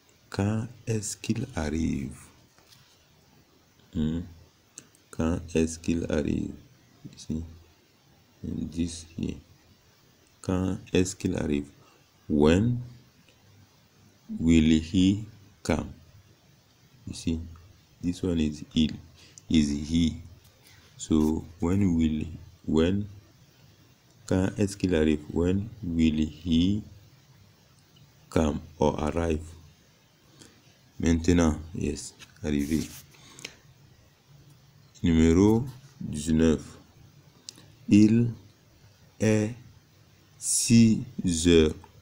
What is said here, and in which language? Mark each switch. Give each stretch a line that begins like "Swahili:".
French: Quand est-ce qu'il arrive? Quand est-ce qu'il arrive?
English: See, this here.
French: Quand est-ce qu'il arrive?
English: When will he come? You see, this one is il, is he. So when
French: quand est-ce qu'il arrive?
English: When will he come or arrive?
French: Maintenant, yes, arrivé. Numéro 19. Il est 6 heures.